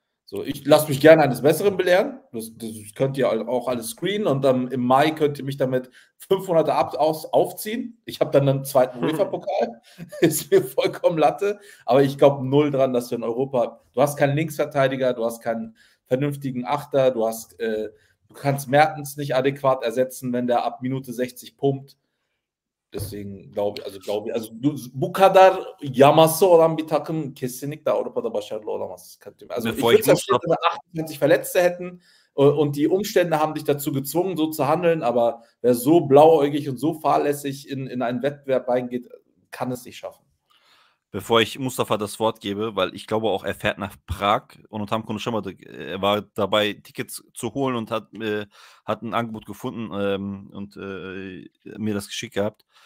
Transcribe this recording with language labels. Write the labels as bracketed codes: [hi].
[de] So, ich lasse mich gerne eines Besseren belehren, das könnt ihr auch alles screenen und dann im Mai könnt ihr mich damit 500 aufziehen. Ich habe dann einen zweiten UEFA-Pokal, ist mir vollkommen Latte, aber ich glaube null dran, dass wir in Europa, du hast keinen Linksverteidiger, du hast keinen vernünftigen Achter, du hast du kannst Mertens nicht adäquat ersetzen, wenn der ab Minute 60 pumpt. Deswegen glaube ich, [tr] bu kadar yaması olan bir takım kesinlikle Avrupa'da başarılı olamaz. [de] Also bevor ich würde sagen, 28 Verletzte hätten und die Umstände haben dich dazu gezwungen, so zu handeln, aber wer so blauäugig und so fahrlässig in einen Wettbewerb reingeht, kann es nicht schaffen. Bevor ich Mustafa das Wort gebe, weil ich glaube auch, er fährt nach Prag und Tam Kunuşama, er war dabei, Tickets zu holen und hat ein Angebot gefunden und mir das geschickt gehabt.